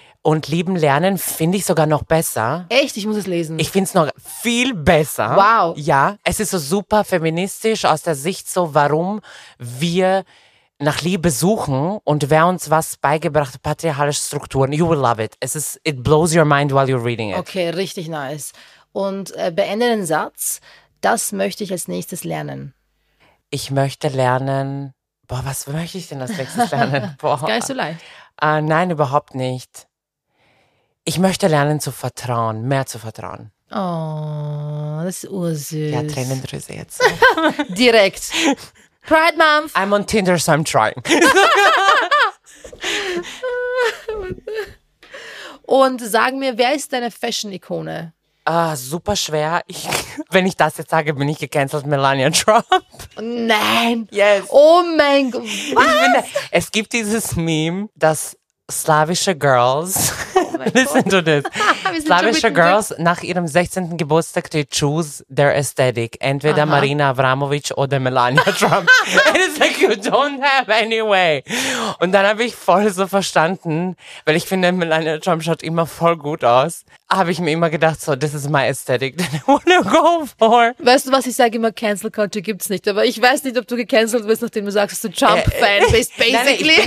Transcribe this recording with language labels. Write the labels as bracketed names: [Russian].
[German] Und Lieben lernen finde ich sogar noch besser. Echt, ich muss es lesen. Ich finde es noch viel besser. Wow. Ja, es ist so super feministisch aus der Sicht so, warum wir nach Liebe suchen und wer uns was beigebracht hat, patriarchalische Strukturen. [English] You will love it. It blows your mind while you're reading it. [German] Okay, richtig nice. Und beende den Satz. das möchte ich als nächstes lernen? Ich möchte lernen, boah, was möchte ich denn als nächstes lernen? Boah. Gar nicht so leicht. Nein, überhaupt nicht. Ich möchte lernen zu vertrauen, mehr zu vertrauen. Oh, das ist ursüß. Ja, Tränendrüse jetzt. Direkt. Pride Month. [English] I'm on Tinder, so I'm trying. [German] Und sag mir, wer ist deine Fashion-Ikone? Ah, super schwer. Wenn ich das jetzt sage, bin ich gecancelt, Melania Trump. Nein. [English] Yes. [German] Oh mein Gott. Was? Es gibt dieses Meme, dass slawische Girls, [English] listen to this, [German] slawische Girls nach ihrem 16. Geburtstag, [English] they choose their aesthetic. [German] Entweder aha. Marina Abramovic oder Melania Trump. [English] And it's like, you don't have any way. [German] Und dann habe ich voll so verstanden, weil ich finde, Melania Trump schaut immer voll gut aus. Habe ich mir immer gedacht, so, [English] this is my aesthetic that I want to go for. [German] Weißt du was, ich sage immer, Cancel Culture gibt's nicht. Aber ich weiß nicht, ob du gecancelt wirst, nachdem du sagst, dass du Trump-Fan bist, basically.